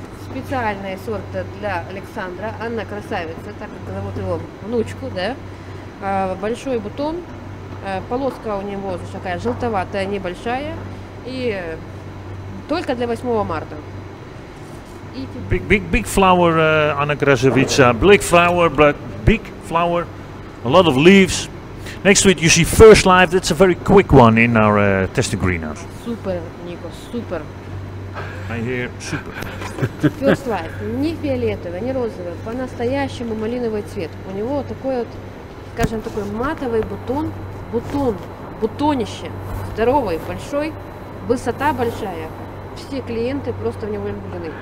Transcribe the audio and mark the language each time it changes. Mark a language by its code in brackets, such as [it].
[ru] Специальный сорт для Александра. Анна красавица, так как зовут его внучку, да? Большой бутон. Полоска у него такая желтоватая, небольшая, и только для 8 марта. [en] Big flower, Anna Krasavica. Big flower, but big flower, a lot of leaves. Next week you see First Life, that's a very quick one in our testing greenhouse. [ru] Супер, Нико, супер. [en] I hear super. [ru] First Life, не фиолетовый, не розовый, по-настоящему малиновый цвет. У него такой вот, скажем, такой матовый бутон. Бутон, бутонище, здоровый, большой, высота большая, все клиенты просто в него влюблены.